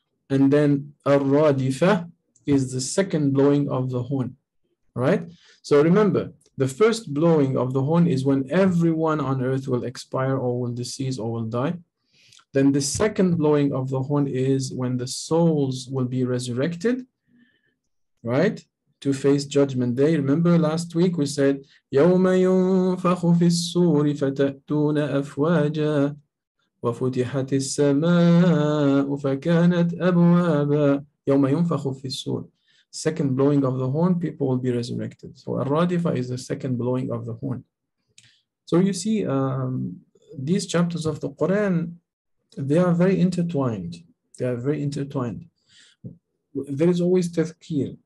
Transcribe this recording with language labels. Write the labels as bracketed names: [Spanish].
[English] And then Al-Rajifa is the second blowing of the horn, right? So remember, the first blowing of the horn is when everyone on earth will expire or will decease or will die. Then the second blowing of the horn is when the souls will be resurrected, right? To face judgment day. Remember last week we said, [Arabic] يَوْمَ يُنْفَخُ فِي السُّورِ فَتَأْتُونَ أَفْوَاجًا وَفُتِحَتِ السَّمَاءُ فَكَانَتْ أَبْوَابًا. يَوْمَ يُنْفَخُ فِي السُّورِ. [English] Second blowing of the horn, people will be resurrected. So الرَّادِفَة is the second blowing of the horn. So you see, these chapters of the Quran, they are very intertwined. They are very intertwined. There is always tazkir.